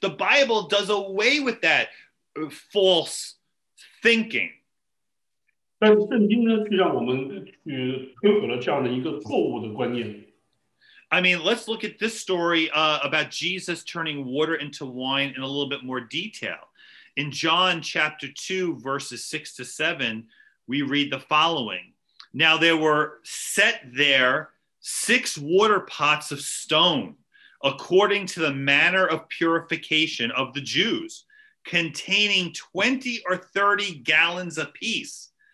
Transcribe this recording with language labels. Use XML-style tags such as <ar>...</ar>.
<en>The Bible does away with that false thinking.</en> <zh>但圣经呢，却让我们去摧毁了这样的一个错误的观念。</zh> <en>I mean, let's look at this story about Jesus turning water into wine in a little bit more detail. In John chapter 2, verses 6 to 7, we read the following. Now there were set there six water pots of stone, according to the manner of purification of the Jews, containing 20 or 30 gallons apiece.</en>